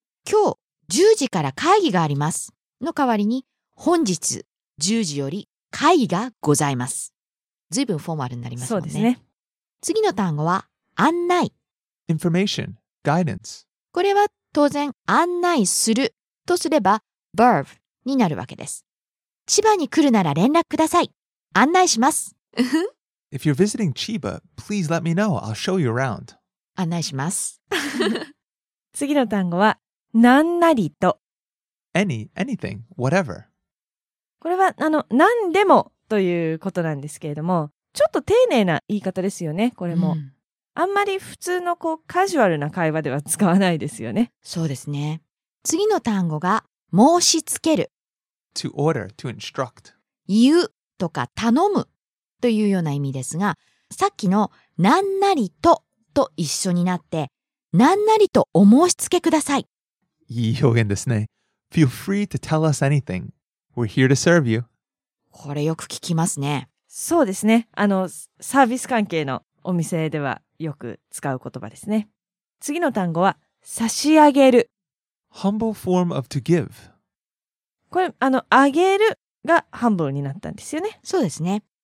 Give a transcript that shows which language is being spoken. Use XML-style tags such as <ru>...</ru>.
<ja>今日10時から会議がありますの代わりに本日10時より会議がございます。ずいぶんフォーマルになりますもんね。そうですね。次の単語は案内。</ja> <en>Information, guidance.</en> <ja>これは当然案内するとすれば verb になるわけです。千葉に来るなら連絡ください。案内します。</ja> <en>If you're visiting Chiba, please let me know. I'll show you around.</en> <ja>案内します。次の単語は、なんなりと。</ja> <en>Any, anything, whatever.</en> <ja>これは、あの、なんでもということなんですけれども、ちょっと丁寧な言い方ですよね、これも。うん、あんまり普通のこうカジュアルな会話では使わないですよね。そうですね。次の単語が、申し付ける。</ja> <en>To order, to instruct.</en> <ja>言うとか頼む。というような意味ですが、さっきの何なりとと一緒になって、何なりとお申し付けください。いい表現ですね。</ja> <en>Feel free to tell us anything. We're here to serve you.</en> <ja>これよく聞きますね。そうですね。あの、サービス関係のお店ではよく使う言葉ですね。次の単語は、差し上げる。</ja> <en>Humble form of to give.</en> <ja>これ、あの、あげるが humble になったんですよね。そうですね。</ja>